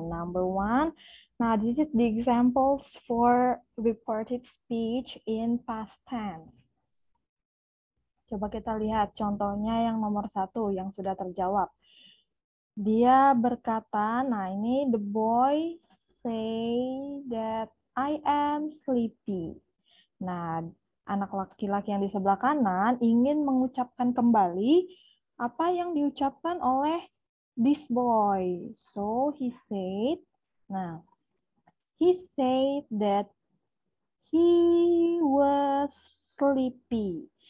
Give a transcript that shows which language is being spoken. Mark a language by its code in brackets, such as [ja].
[en] Number 1, nah this is the examples for reported speech in past tense. [id] Coba kita lihat contohnya yang nomor 1 yang sudah terjawab. Dia berkata, nah ini [en] the boy say that I am sleepy. [id] Nah, anak laki-laki yang di sebelah kanan ingin mengucapkan kembali apa yang diucapkan oleh [en] this boy. So, he said, nah, he said that he was sleepy.